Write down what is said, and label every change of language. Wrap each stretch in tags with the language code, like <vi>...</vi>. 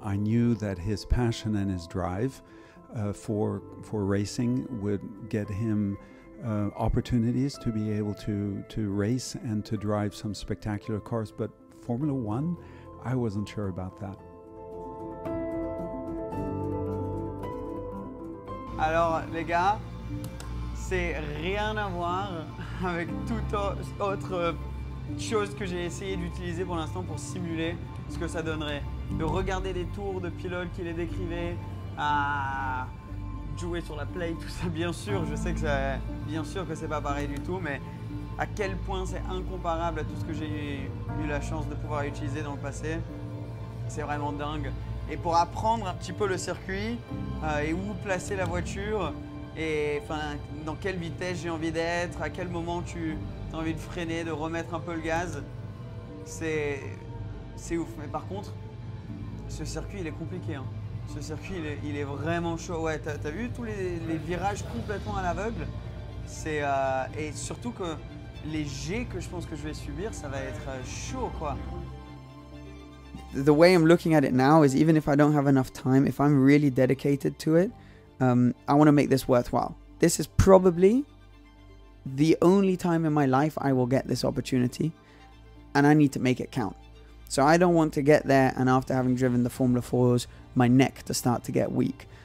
<en>I knew that his passion and his drive for racing would get him opportunities to be able to race and to drive some spectacular cars. But Formula One, I wasn't sure about that.</en> <fr>Alors, les gars. C'est rien à voir avec toute autre chose que j'ai essayé d'utiliser pour l'instant pour simuler ce que ça donnerait. De regarder les tours de pilotes qui les décrivaient, à jouer sur la play, tout ça. Bien sûr, je sais que c'est bien sûr que c'est pas pareil du tout, mais à quel point c'est incomparable à tout ce que j'ai eu la chance de pouvoir utiliser dans le passé. C'est vraiment dingue. Et pour apprendre un petit peu le circuit et où placer la voiture, et enfin, dans quelle vitesse j'ai envie d'être, à quel moment tu as envie de freiner, de remettre un peu le gaz, c'est ouf. Mais par contre, ce circuit, il est compliqué. Hein. Ce circuit, il est vraiment chaud. Ouais, t'as vu tous les virages complètement à l'aveugle. Et surtout que les jets que je pense que je vais subir, ça va être chaud, quoi.</fr> <en>The way I'm looking at it now is, even if I don't have enough time, if I'm really dedicated to it, I want to make this worthwhile. This is probably the only time in my life I will get this opportunity, and I need to make it count. So I don't want to get there and after having driven the Formula 4s, my neck to start to get weak.</en>